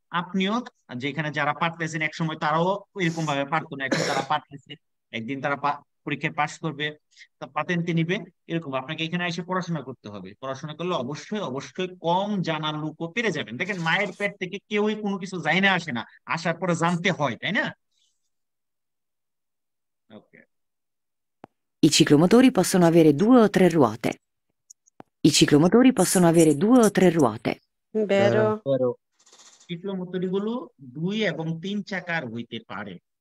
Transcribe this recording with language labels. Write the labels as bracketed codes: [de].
[bn] আপনিও যেখানে যারা পারতেছেন, একসময় তারাও এরকম ভাবে পারতো না, এখন তারা পারতেছে, একদিন তারা পরীক্ষায় পাশ করবে, তা পাতেন্তি নিবে, এরকম আপনাকে এখানে এসে পড়াশোনা করতে হবে। পড়াশোনা করলে অবশ্যই অবশ্যই কম জানার লোকও পেরে যাবেন। দেখেন মায়ের পেট থেকে কেউই কোনো কিছু জানে আসে না, আসার পরে জানতে হয়, তাই না? [it] I ciclomotori possono avere due o tre ruote. I ciclomotori possono avere due o tre ruote. Vero. Vero. [bn] Ciclomotori গুলো দুই এবং তিন চাকার হইতে পারে।